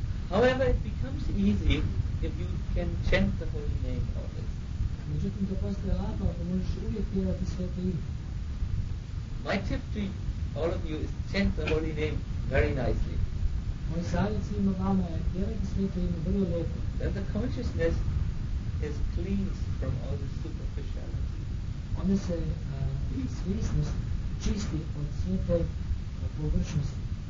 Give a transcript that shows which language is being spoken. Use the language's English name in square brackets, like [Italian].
[English] However, it becomes easy if you can chant the holy name of it. [Croatian] Međutim, to postoje lako ako možeš uvijek pjevati sveto ime. [English] My tip to all of you is chant the holy name very nicely. [Croatian] Moj savjet svima vama je pjevati sveto ime vrlo lijepo. [English] Then the consciousness is cleansed from all the superficiality. [Croatian] Onda se svjesnost čisti od sve te površnosti.